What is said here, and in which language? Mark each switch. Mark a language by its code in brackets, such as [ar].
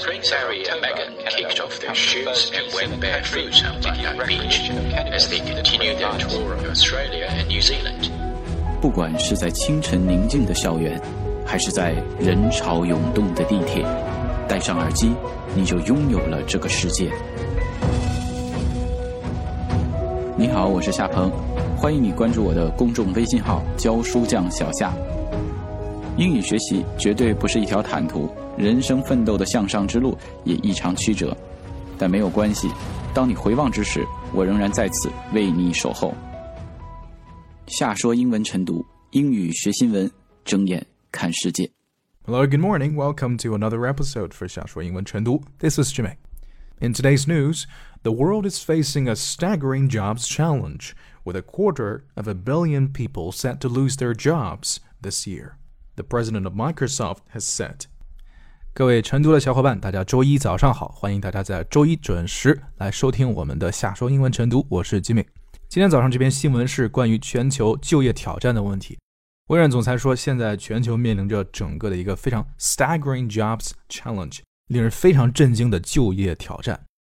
[en] of October, Megan kicked off their shoes and went barefoot on the beach as they continued their tour of Australia and New Zealand. [zh] 不管是在清晨宁静的校园，还是在人潮涌动的地铁，戴上耳机，你就拥有了这个世界。你好，我是夏鹏，欢迎你关注我的公众微信号“教书匠小夏”。英语学习绝对不是一条坦途，人生奋斗的向上之路也异常曲折，但没有关系，当你回望之时，我仍然在此为你守候。夏说英文晨读，英语学新闻，睁眼看世界。 [en] Hello, good morning. Welcome to another episode for 夏说英文晨读.This is Jimmy. In today's news, the world is facing a staggering jobs challenge, with a quarter of a billion people set to lose their jobs this year. The president of Microsoft has said. [zh] 各位晨读的小伙伴，大家周一早上好，欢迎大家在周一准时来收听我们的夏说英文晨读，我是 Jimmy。今天早上这篇新闻是关于全球就业挑战的问题。微软总裁说，现在全球面临着整个的一个非常 [en] staggering jobs challenge， [zh] 令人非常震惊的就业挑战。